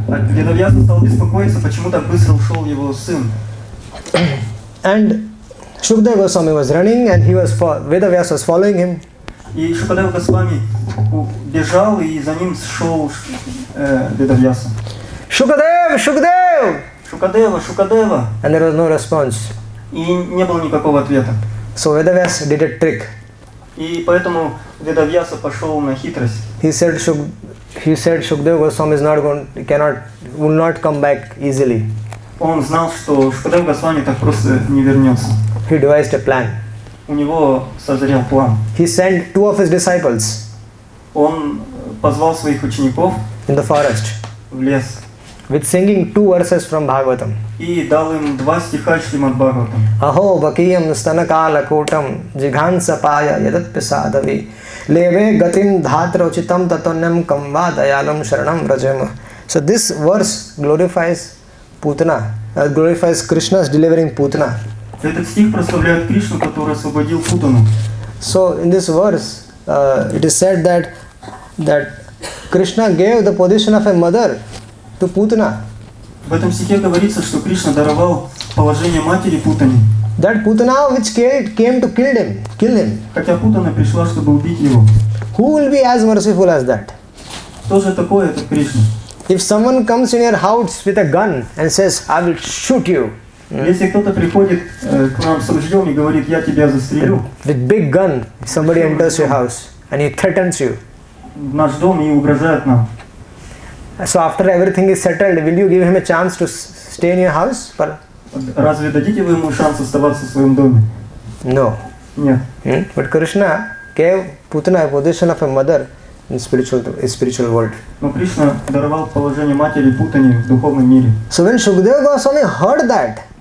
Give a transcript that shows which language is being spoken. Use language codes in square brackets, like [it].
[ru] Ведавьяса стал беспокоиться, почему так быстро ушел его сын. [en] And Shukadeva Goswami was running and Ведавьяса was following him. [ru] И Шукадева Госвами бежал и за ним шел Ведавьяса. [en] Shukadeva, Shukadeva! Shukadeva, Shukadeva! And there was no response. [ru] И не было никакого ответа. [en] So Vedavyasa did a trick. [ru] И поэтому Ведавьяса пошел на хитрость. [en] He said Shukadeva Goswami will not come back easily. [ru] Он знал, что Shukadeva Goswami так просто не вернется. [en] He devised a plan. [ru] У него созрел план. [en] He sent two of his disciples. [ru] Он позвал своих учеников. [en] In the forest. [ru] В лес. [en] With singing two verses from Bhagavatam. [ru] И дал им два стиха Шримад Бхагаватам. [sa] Aho vakiyam stanakala kutam jighansa paya yadat pisadavi leve gatim dhatra uchitam tatanyam kamva dayalam sharanam rajama. [en] So this verse glorifies Putana, glorifies Krishna's delivering Putana. [ru] Этот стих прославляет Кришну, который освободил Путану. [en] So in this verse, it is said that Krishna gave the position of a mother. [ru] Путана. В этом стихе говорится, что Кришна даровал положение матери Путане. [en] That Putana which came to kill him. [ru] Хотя Путана пришла, чтобы убить его. [en] Who will be as merciful as that? [ru] Кто же такой этот Кришна? [en] If someone comes in your house with a gun and says, I will shoot you. [ru] Если кто-то приходит к нам с ружьем и говорит, я тебя застрелю. [en] With big gun, somebody enters your house and he threatens you. [ru] В наш дом и угрожает нам. [en] So after everything is settled, will you give him a chance to stay in your house? [ru] Разве дадите вы ему шанс оставаться в своем доме? [en] No. [ru] Нет. [en] But Krishna gave Putana a position of a mother in spiritual world. [ru] Но Кришна даровал положение матери Путане в духовном мире. [en] So when Shukadeva Goswami heard that,